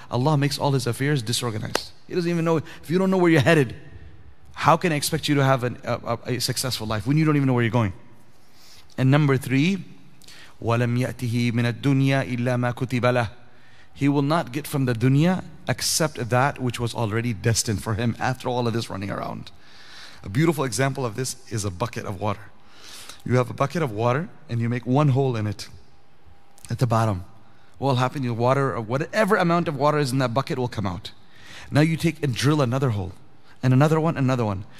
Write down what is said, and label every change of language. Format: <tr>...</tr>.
<en>Allah makes all his affairs disorganized. He doesn't even know, if you don't know where you're headed, how can I expect you to have a successful life when you don't even know where you're going? And number three,</en> <ar>وَلَمْ يَأْتِهِ مِنَ الدُّنْيَا إِلَّا مَا كُتِبَ لَهُ.</ar> <en>He will not get from the dunya except that which was already destined for him after all of this running around. A beautiful example of this is a bucket of water. You have a bucket of water and you make one hole in it at the bottom. What will happen? Your water, or whatever amount of water is in that bucket, will come out. Now you take and drill another hole and another one, another one.</en>